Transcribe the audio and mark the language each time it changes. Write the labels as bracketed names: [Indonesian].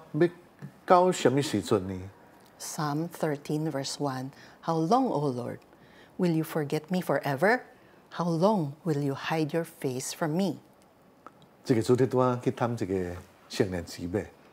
[Min Nan Chinese] 詩篇十三篇第一節講：耶和華，你忘記我，要到什麼時候呢？你要到永遠嗎？你憐憫無顧我，要到什麼時候呢？ [English] Psalm 13, verse 1. How long, O Lord, will you forget me forever? How long will you hide your face from me? [Min Nan Chinese] 這個主題我去探一個青年姊妹。